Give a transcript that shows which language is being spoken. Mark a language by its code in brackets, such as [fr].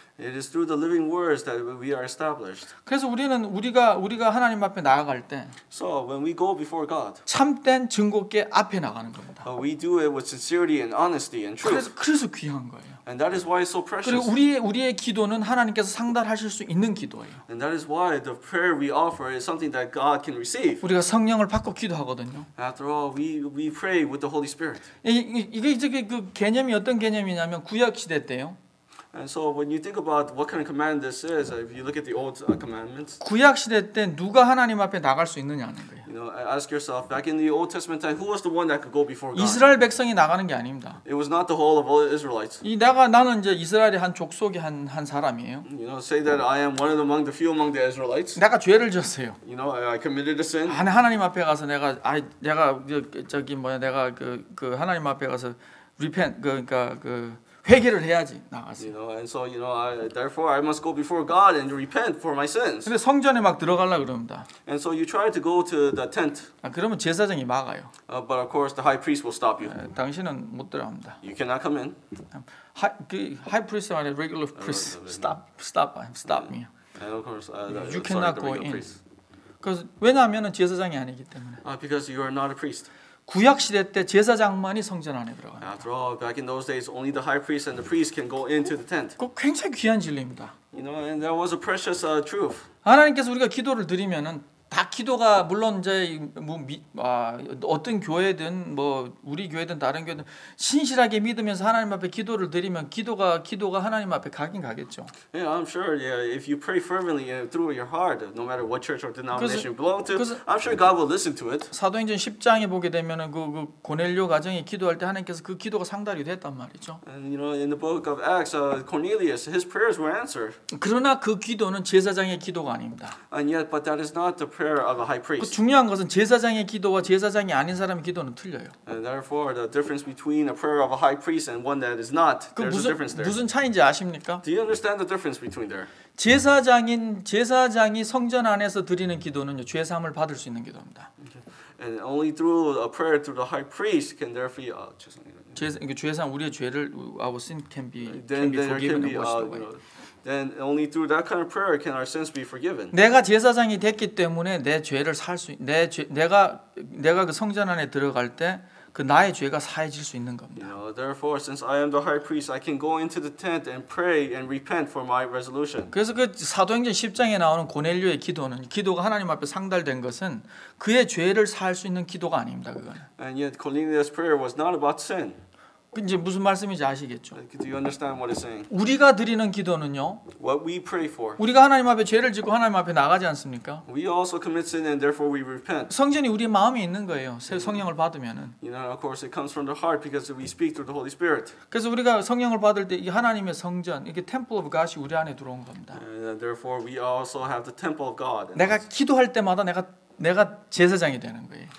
[en] It is through the living words that we are established. [ko] 그래서 우리는 우리가 하나님 앞에 나아갈 때 [en] So when we go before God. [ko] 참된 증거께 앞에 나가는 겁니다. [en] We do it with sincerity and honesty and truth. [ko] 그래서 귀한 거예요. [en] And that is why it's so precious. [ko] 그리고 우리의 기도는 하나님께서 상달하실 수 있는 기도예요. [en] And that is why the prayer we offer is something that God can receive. [ko] 우리가 성령을 받고 기도하거든요. [en] After all, we pray with the Holy Spirit. [ko] 이게 그 개념이 어떤 개념이냐면 구약 시대 때요. [en] And so when you think about what kind of command this is, if you look at the old commandments, [ko] 구약 시대 때 누가 하나님 앞에 나갈 수 있느냐 하는 거예요. [en] You know, ask yourself back in the Old Testament time, who was the one that could go before God? [ko] 이스라엘 백성이 나가는 게 아닙니다. [en] It was not the whole of all Israelites. [ko] 나는 이제 이스라엘의 한 족속의 한 사람이에요. [en] You know, say that I am one of among the few among the Israelites. [ko] 내가 죄를 지었어요. [en] You know, I committed a sin. [ko] 아니 하나님 앞에 가서 내가 저기 뭐야 내가 그 하나님 앞에 가서 repent 그러니까 그 회개를 해야지 나가서. [en] You know, and so you know, therefore I must go before God and repent for my sins. [ko] 근데 성전에 막 들어가려 그럽니다. [en] And so you try to go to the tent. [ko] 아 그러면 제사장이 막아요. [en] But of course the high priest will stop you. [ko] 당신은 못 들어갑니다. [en] You cannot come in. High priest or the regular priest, stop me. And of course, you cannot go in. [ko] Because 왜냐하면은 제사장이 아니기 때문에. [en] Because you are not a priest. [ko] 구약 시대 때 제사장만이 성전 안에 들어가요. [en] After all, back in those days, only the high priest and the priest can go into the tent. [ko] 그 굉장히 귀한 진리입니다. [en] You know, and that was a precious truth. [ko] 하나님께서 우리가 기도를 드리면은 다 기도가 물론 이제 어떤 교회든 뭐 우리 교회든 다른 교회든 신실하게 믿으면서 하나님 앞에 기도를 드리면 기도가 하나님 앞에 가긴 가겠죠. [en] Yeah, I'm sure. Yeah, if you pray fervently through your heart, no matter what church or denomination you belong to, I'm sure God will listen to it. [ko] 사도행전 10장에 보게 되면은 그 고넬료 가정이 기도할 때 하나님께서 그 기도가 상달이 됐단 말이죠. [en] And you know, in the book of Acts, Cornelius, his prayers were answered. [ko] 그러나 그 기도는 제사장의 기도가 아닙니다. [en] And yet, but that is not the prayer of a high priest. [ko] 그 중요한 것은 제사장의 기도와 제사장이 아닌 사람의 기도는 틀려요. [en] And therefore, the difference between a prayer of a high priest and one that is not, there's a difference there. [ko] 무슨 차이인지 아십니까? [en] Do you understand the difference between there? [ko] 제사장이 성전 안에서 드리는 기도는 죄 사함을 받을 수 있는 기도입니다. [en] And only through a prayer through the high priest can there be [ko] 죄송해요. 죄 사함 우리의 죄를 [en] our sin can be forgiven and washed away. Then only through that kind of prayer can our sins be forgiven. [ko] 내가 제사장이 됐기 때문에 내 죄를 살 수 내 죄 내가 그 성전 안에 들어갈 때 그 나의 죄가 사해질 수 있는 겁니다. [en] You know, therefore, since I am the high priest, I can go into the tent and pray and repent for my resolution. [ko] 그래서 그 사도행전 10장에 나오는 고넬료의 기도가 하나님 앞에 상달된 것은 그의 죄를 사할 수 있는 기도가 아닙니다. 그거는. [en] And yet, Cornelius' prayer was not about sin. [ko] 이제 무슨 말씀인지 아시겠죠? [en] Do you understand what it's saying? [ko] 우리가 드리는 기도는요. [en] What we pray for. [ko] 우리가 하나님 앞에 죄를 짓고 하나님 앞에 나가지 않습니까? [en] We also commit sin and therefore we repent. [ko] 성전이 우리 마음에 있는 거예요. 성령을 받으면은. [en] You know, of course, it comes from the heart because we speak through the Holy Spirit. [ko] 그래서 우리가 성령을 받을 때 이 하나님의 성전, 이게 [en] temple of God [ko] 이 우리 안에 들어온 겁니다. [en] And therefore, we also have the temple of God. [ko] 내가 기도할 때마다 내가 제사장이 되는 거예요.